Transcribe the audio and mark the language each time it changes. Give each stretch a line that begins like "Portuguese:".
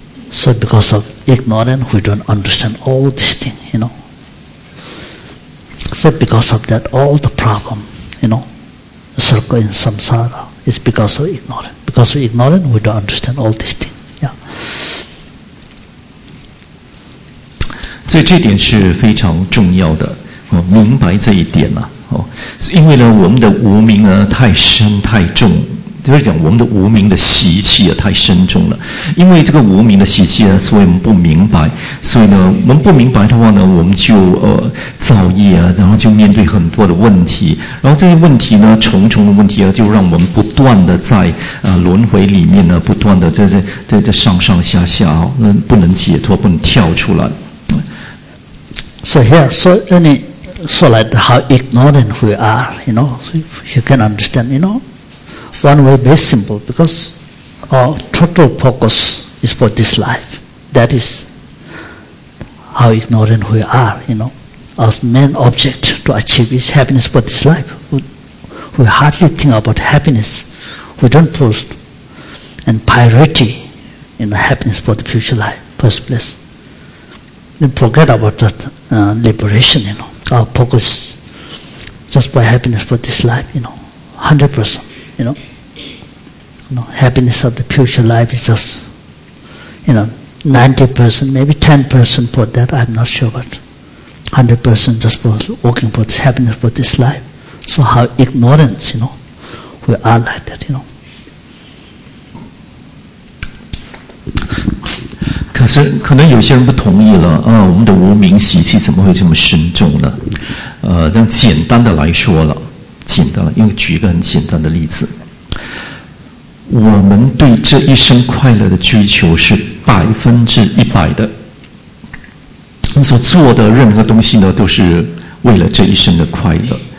English: So because of ignorance, we don't understand all these things, you know. So because of that, all the problem, you know, circle in samsara, is because of ignorance. Because of ignorance, we don't understand all these things. Yeah.
Chinese: 所以这点是非常重要的，我明白这一点了。因为呢，我们的无明呢太深太重，就是讲我们的无明的习气啊太深重了。因为这个无明的习气呢，所以我们不明白，所以呢，我们不明白的话呢，我们就造业啊，然后就面对很多的问题，然后这些问题呢，重重的问题啊，就让我们不断的在轮回里面呢，不断的在上上下下哦，不能解脱，不能跳出来。
English: So here, so any. So like how ignorant we are, you know, so you can understand, you know. One way very simple, because our total focus is for this life. That is how ignorant we are, you know. Our main object to achieve is happiness for this life. We hardly think about happiness. We don't post and priority in happiness for the future life, first place. Then forget about that liberation, you know. Our focus just by happiness for this life, you know, 100%, you know, happiness of the future life is just, you know, 90%, maybe 10% for that, I'm not sure, but 100% just for working for this happiness for this life. So how ignorant, you know, we are like that, you know.
Chinese: 可是可能有些人不同意了啊，我们的无明习气怎么会这么深重呢？这样简单的来说了，简单了，因为举一个很简单的例子，我们对这一生快乐的追求是100%的，我们所做的任何东西呢，都是为了这一生的快乐。